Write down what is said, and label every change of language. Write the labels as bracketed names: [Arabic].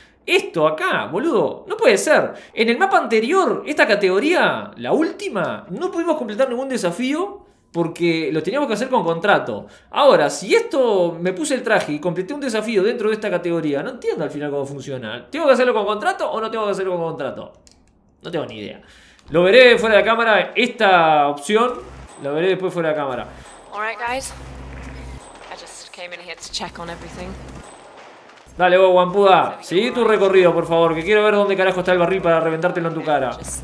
[Spanish] Esto acá, boludo, no puede ser. En el mapa anterior, esta categoría, la última, no pudimos completar ningún desafío porque lo teníamos que hacer con contrato. Ahora, si esto me puse el traje y completé un desafío dentro de esta categoría, no entiendo al final cómo funciona. ¿Tengo que hacerlo con contrato o no tengo que hacerlo con contrato? No tengo ni idea. Lo veré fuera de cámara, esta opción, lo veré después fuera de cámara. [English] All right, guys. I just came in here to check on everything. [Spanish] Dale vos, guampuda, seguí tu recorrido, por favor, que quiero ver dónde carajo está el barril para reventártelo en tu cara.